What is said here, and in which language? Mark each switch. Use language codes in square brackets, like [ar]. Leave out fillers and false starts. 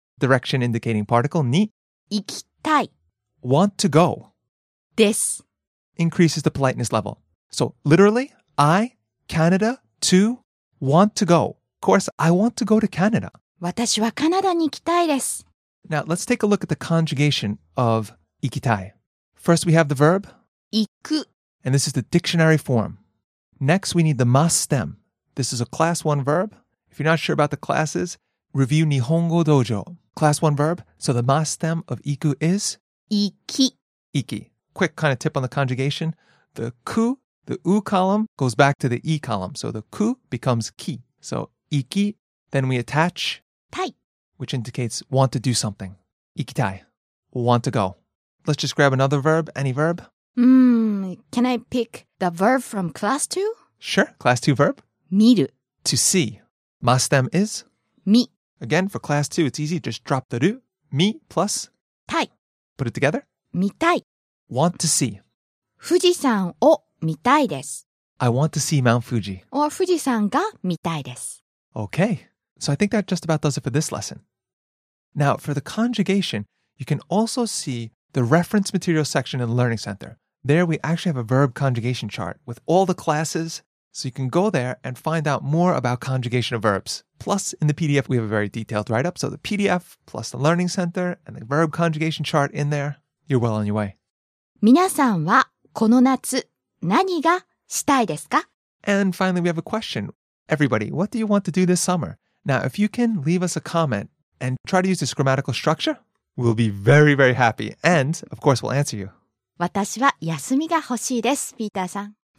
[en] Direction indicating particle, に. [ja] 行きたい. [en] Want to go. [ja] です. [en] Increases the politeness level. So, literally, I, Canada, to, want to go. Of course, I want to go to Canada. [ja] 私はカナダに行きたいです. [en] Now, let's take a look at the conjugation of 行きたい. First, we have the verb... [ja] 行く. [en] And this is the dictionary form. Next, we need the ます stem. This is a class 1 verb. If you're not sure about the classes, review Nihongo Dojo. Class 1 verb. So the ma stem of iku is? [ja] Iki. [en] Iki. Quick kind of tip on the conjugation. The ku, the u column, goes back to the e column. So the ku becomes ki. So iki. Then we attach? [ja] Tai. [en] Which indicates want to do something. Ikitai. Want to go. Let's just grab another verb. Any verb? Can I pick the verb from class 2? Sure. Class 2 verb. [ja] 見る. [en] To see. Masten is? [ja] Mi. [en] Again, for class 2, it's easy. Just drop the ru. Mi plus? [ja] Tai. [en] Put it together. [ja] 見たい. [en] Want to see. [ja] 富士山を見たいです. [en] I want to see Mount Fuji. Or [ja] 富士山が見たいです. [en] Okay. So I think that just about does it for this lesson. Now, for the conjugation, you can also see the reference material section in the Learning Center. There we actually have a verb conjugation chart with all the classes, so you can go there and find out more about conjugation of verbs. Plus, in the PDF, we have a very detailed write-up, so the PDF plus the Learning Center and the verb conjugation chart in there, you're well on your way. [ja] 皆さんはこの夏何がしたいですか? [en] And finally, we have a question. Everybody, what do you want to do this summer? Now, if you can leave us a comment and try to use this grammatical structure, we'll be very, very happy. And, of course, we'll answer you. [ja] 私は休みが欲しいです、ピーターさん。